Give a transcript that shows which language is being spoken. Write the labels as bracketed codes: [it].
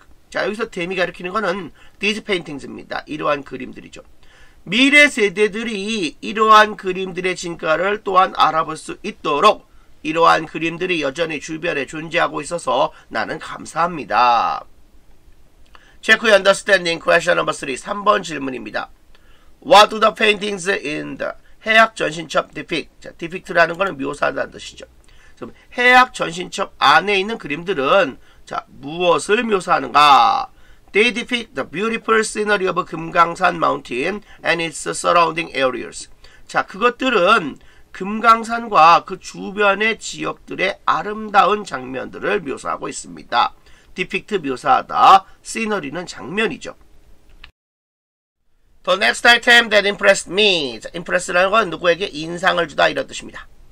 [ko] 자, 여기서 them이 가리키는 거는 these paintings입니다. 이러한 그림들이죠. 미래 세대들이 이러한 그림들의 진가를 또한 알아볼 수 있도록 이러한 그림들이 여전히 주변에 존재하고 있어서 나는 감사합니다. [en] Check your understanding question number 3. [ko] 3번 질문입니다. [en] What do the paintings in the 해악 전신첩 depict? [ko] 자, depict라는 것은 묘사한다는 뜻이죠. 그럼 해악 전신첩 안에 있는 그림들은 자, 무엇을 묘사하는가? [en] They depict the beautiful scenery of 금강산 mountain and its surrounding areas. [ko] 자, 그것들은 금강산과 그 주변의 지역들의 아름다운 장면들을 묘사하고 있습니다. depict 묘사하다, scenery는 장면이죠. [en] The next item that impressed me. [ko] 자, impress라는 건 누구에게 인상을 주다 이런 뜻입니다.